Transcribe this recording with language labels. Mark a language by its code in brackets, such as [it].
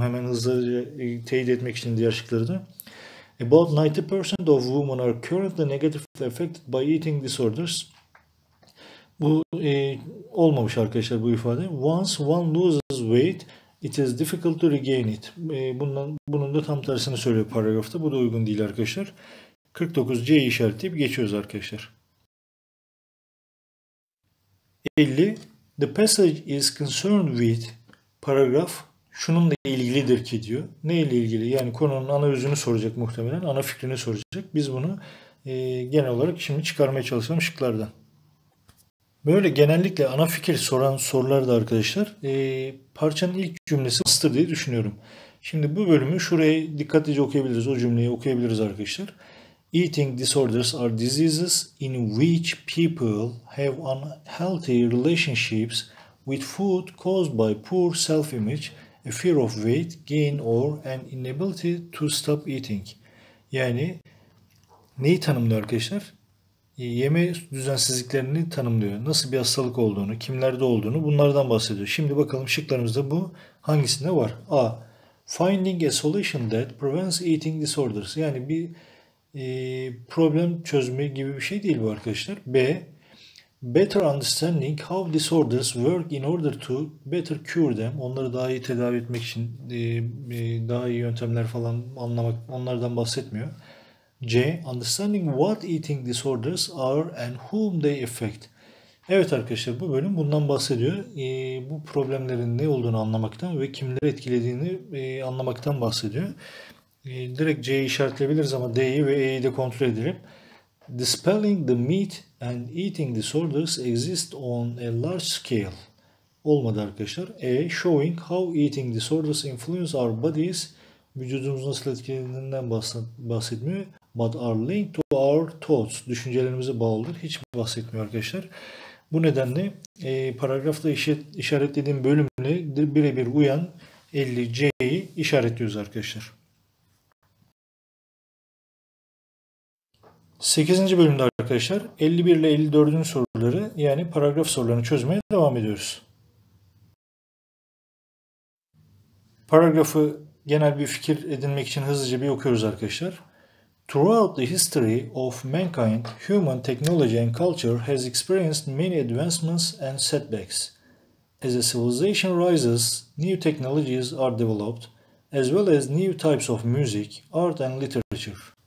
[tr] Hemen hızlıca teyit etmek için diğer şıkları da. [en] About 90% of women are currently negatively affected by eating disorders. [tr] Bu olmamış arkadaşlar bu ifade. [en] Once one loses weight, it is difficult to regain it. [tr] Bunun da tam tersini söylüyor paragrafta. Bu da uygun değil arkadaşlar. 49C'yi işaretleyip geçiyoruz arkadaşlar. 50. [en] The passage is concerned with [tr] paragraph şununla ilgilidir ki diyor. Ne ile ilgili? Yani konunun ana özünü soracak muhtemelen. Ana fikrini soracak. Biz bunu genel olarak şimdi çıkarmaya çalışalım şıklardan. Böyle genellikle ana fikir soran sorular da arkadaşlar parçanın ilk cümlesi master diye düşünüyorum. Şimdi bu bölümü şuraya dikkatlice okuyabiliriz. O cümleyi okuyabiliriz arkadaşlar. [en] Eating disorders are diseases in which people have unhealthy relationships with food caused by poor self-image, a fear of weight gain or an inability to stop eating. [tr] Yani neyi tanımlıyor arkadaşlar? Yeme düzensizliklerini tanımlıyor. Nasıl bir hastalık olduğunu, kimlerde olduğunu bunlardan bahsediyor. Şimdi bakalım şıklarımızda bu hangisinde var? A. [en] Finding a solution that prevents eating disorders. [tr] Yani bir problem çözme gibi bir şey değil bu arkadaşlar. B. [en] Better understanding how disorders work in order to better cure them. [tr] Onları daha iyi tedavi etmek için daha iyi yöntemler falan anlamak onlardan bahsetmiyor. C. [en] Understanding what eating disorders are and whom they affect. [tr] Evet arkadaşlar bu bölüm bundan bahsediyor. Bu problemlerin ne olduğunu anlamaktan ve kimleri etkilediğini anlamaktan bahsediyor. Direkt C'yi işaretleyebiliriz ama D'yi ve E'yi de kontrol edelim. [en] Dispelling the meat and eating disorders exist on a large scale. [tr] Olmadı arkadaşlar. [en] E. Showing how eating disorders influence our bodies. [tr] Vücudumuz nasıl etkilediğinden bahsetmiyor. [en] But are linked to our thoughts. [tr] Düşüncelerimize bağlıdır. Hiç bahsetmiyor arkadaşlar. Bu nedenle paragrafta işaretlediğim bölümle birebir uyan 50C'yi işaretliyoruz arkadaşlar. 8. bölümde arkadaşlar 51 ile 54'ün soruları yani paragraf sorularını çözmeye devam ediyoruz. Paragrafı genel bir fikir edinmek için hızlıca bir okuyoruz arkadaşlar. [en] Throughout the history of mankind, human technology and culture has experienced many advancements and setbacks. As a civilization rises, new technologies are developed, as well as new types of music, art and literature.